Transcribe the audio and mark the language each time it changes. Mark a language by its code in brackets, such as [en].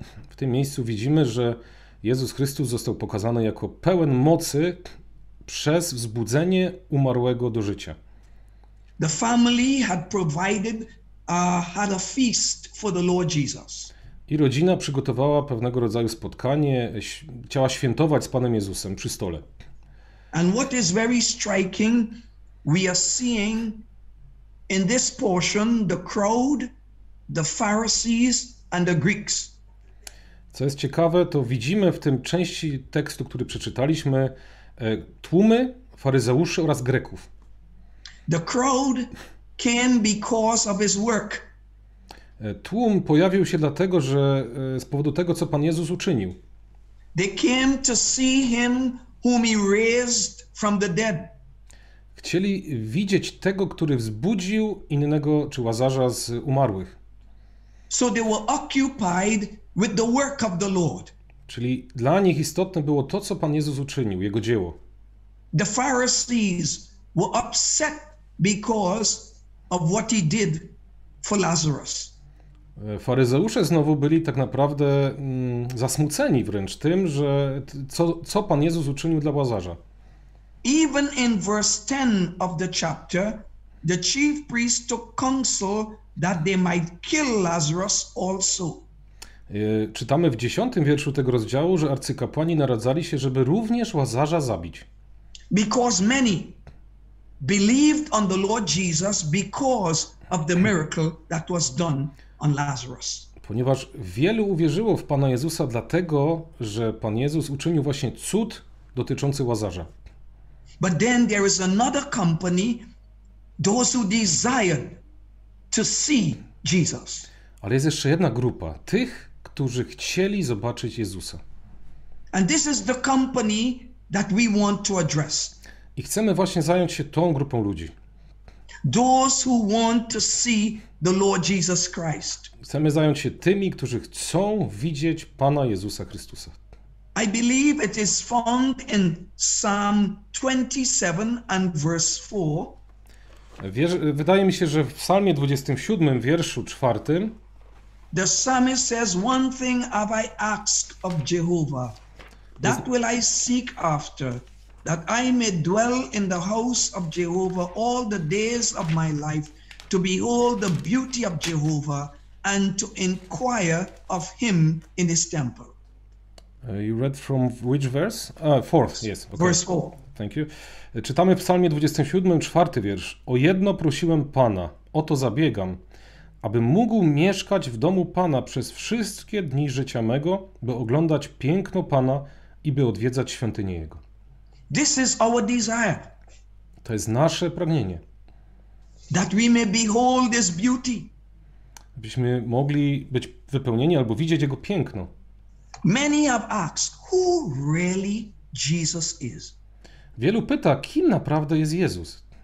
[pl] W tym miejscu widzimy, że Jezus Chrystus został pokazany jako pełen mocy przez wzbudzenie umarłego do życia. [en] The family had provided had a feast for the Lord Jesus. [pl] I rodzina przygotowała pewnego rodzaju spotkanie, chciała świętować z Panem Jezusem przy stole. [en] And what is very striking, we are seeing in this portion the crowd, the Pharisees and the Greeks. [pl] Co jest ciekawe, to widzimy w tym części tekstu, który przeczytaliśmy, tłumy, faryzeuszy oraz Greków. [en] The crowd came because of his work. [pl] Tłum pojawił się dlatego, że z powodu tego, co Pan Jezus uczynił. [en] They came to see him whom he raised from the dead. [pl] Chcieli widzieć tego, który wzbudził innego, czy Łazarza z umarłych. [en] So they were occupied with the work of the Lord. [pl] Czyli dla nich istotne było to, co Pan Jezus uczynił, jego dzieło. [en] The Pharisees were upset because of what he did for Lazarus. [pl] Faryzeusze znowu byli tak naprawdę zasmuceni wręcz tym, że co Pan Jezus uczynił dla Łazarza. [en] Even in verse 10 of the chapter, the chief priests took counsel that they might kill Lazarus also. [pl] Czytamy w 10 wierszu tego rozdziału, że arcykapłani naradzali się, żeby również Łazarza zabić. [en] Because many believed on the Lord Jesus because of the miracle that was done on Lazarus. [pl] Ponieważ wielu uwierzyło w Pana Jezusa dlatego, że Pan Jezus uczynił właśnie cud dotyczący Łazarza. [en] But then there is another company, those who desired to see Jesus. [pl] Ale jest jeszcze jedna grupa tych, którzy chcieli zobaczyć Jezusa. [en] And this is the company that we want to address. [pl] I chcemy właśnie zająć się tą grupą ludzi. [en] Those who want to see the Lord Jesus Christ. [pl] Chcemy zająć się tymi, którzy chcą widzieć Pana Jezusa Chrystusa. [en] I believe it is found in Psalm 27 and verse 4. [pl] Wydaje mi się, że w Psalmie 27, wierszu 4. [en] The psalmist says, one thing have I asked of Jehovah, that will I seek after, that I may dwell in the house of Jehovah all the days of my life, to behold the beauty of Jehovah and to inquire of him in his temple. You read from which verse? Fourth, yes. Okay. Verse 4. Thank you. [pl] Czytamy w Psalmie 27, czwarty wiersz. O jedno prosiłem Pana, o to zabiegam, aby mógł mieszkać w domu Pana przez wszystkie dni życia mego, by oglądać piękno Pana i by odwiedzać świątynię Jego. [en] This is our desire. [pl] To jest nasze pragnienie. [en] That we may behold His beauty. [pl] Byśmy mogli być wypełnieni albo widzieć Jego piękno. [en] Many have asked who really Jesus is. [pl] Wielu pyta, kim naprawdę jest Jezus.